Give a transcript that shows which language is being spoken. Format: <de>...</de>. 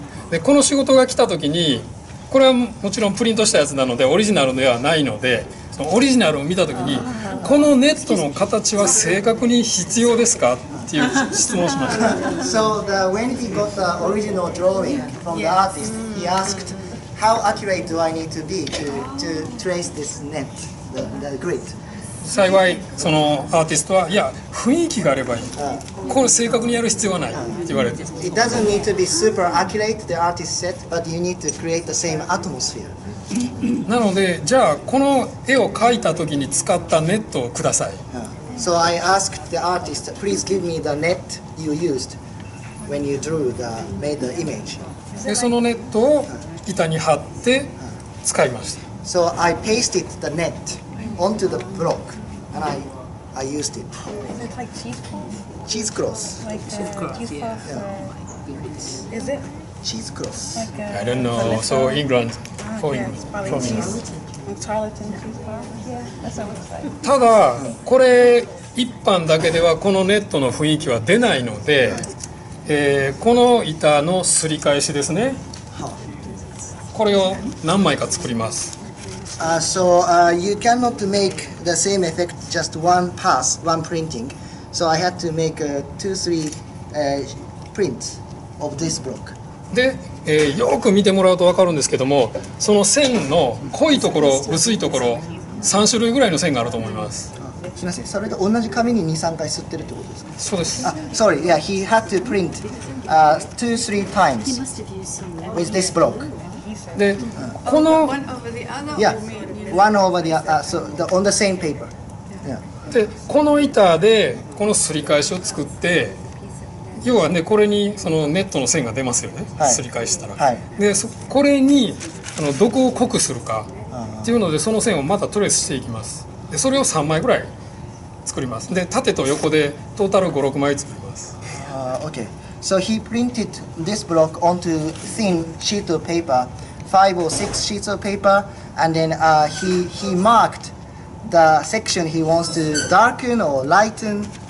<ja>でこの仕事が来た時に、これはもちろんプリントしたやつなのでオリジナルではないので、そのオリジナルを見た時に、このネットの形は正確に必要ですかっていう質問をしました。</ja> <en>So the, when he got the original drawing from the artist, he asked how accurate do I need to be to trace this net, the grid?</en> <ja>幸いそのアーティストは、いや雰囲気があればいい、これ正確にやる必要はないって言われて、</ja> <en>It doesn't need to be super accurate, the artist said, but you need to create the same atmosphere.</en> <ja>なので、じゃあこの絵を描いた時に使ったネットをください。</ja> <en>So I asked the artist, please give me the net you used when you drew the, made the image.</en> <ja>でそのネットを板に貼って使いました。</ja> <en>So I pasted the netOnto the block, and I used it. Is it like cheesecloth? Cheesecloth. Like cheesecloth. Yeah. Yeah. Is it cheesecloth? Like I don't know. So England, for England, from Charlton cheesecloth. Yeah, that's what it looks like.</en> <ja>ただこれ一般だけではこのネットの雰囲気は出ないので、この板のすり返しですね。これを何枚か作ります。</ja> <en>You cannot make the same effect just one pass, one printing. So I had to make two, three prints of this block.</en> <ja>で、よく見てもらうと分かるんですけども、その線の濃いところ、薄いところ、3種類ぐらいの線があると思います。すみません、それと同じ紙に2、3回吸ってるってことですか？そうです。</ja> <en>Sorry, yeah, he had to print two, three times with this block.</en> <ja>で、この、</ja> <en>yeah. one over the other, so the, on the same paper. Yeah.</en> <ja>で、この板でこのすり返しを作って、要はね、これにそのネットの線が出ますよね。はい、すり返したら。はい、で、これにあのどこを濃くするかっていうので、その線をまたトレースしていきます。で、それを3枚ぐらい作ります。で、縦と横でトータル5、6枚作ります。</ja> <en>Okay. So he printed this block onto thin sheet of paper, five or six sheets of paper, and then he marked the section he wants to darken or lighten.</en>